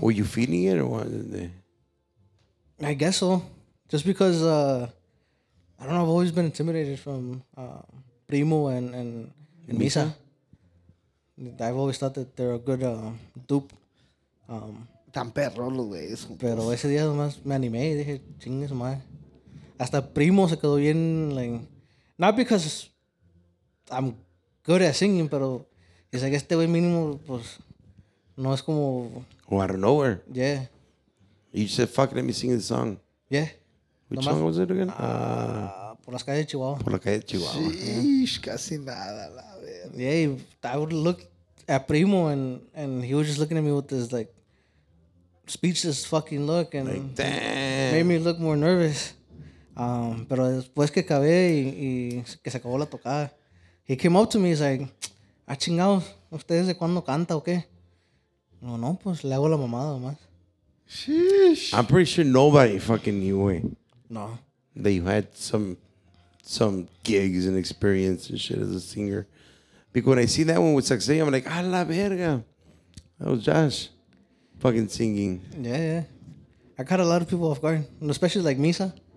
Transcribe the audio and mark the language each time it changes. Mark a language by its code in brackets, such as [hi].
[en] Were you feeding it or what? I guess so. Just because, I don't know, I've always been intimidated from Primo and Misa. Misa. I've always thought that they're a good dupe. [es] Tan perro lo de eso. Pero ese día nomás me animé y dije, chingue su madre. Hasta Primo se quedó bien, like, [en] not because I'm good at singing, [es] pero yo sé que este güey mínimo, pues, no es como... [en] Oh, out of nowhere. Yeah. You said, fuck, let me sing the song. Yeah. Which song was it again? [es] Por las calles de Chihuahua. Por las calles de Chihuahua. Sheesh, casi nada, la verdad. [en] Yeah, I would look at Primo and he was just looking at me with this, like, speechless fucking look. And like, damn. Made me look more nervous. [es] Pero después que acabé y que se acabó la tocada, [en] he came up to me, he's like, [es] ah, chingado, ¿ustedes de cuándo canta o qué? No, no, pues le hago la mamada nomás. [en] Sheesh. I'm pretty sure nobody fucking knew it. No. That you had some gigs and experience and shit as a singer. Because when I see that one with Saxey, I'm like, [es] a la verga. [en] That was Josh fucking singing. Yeah, yeah. I caught a lot of people off guard, and especially like Misa.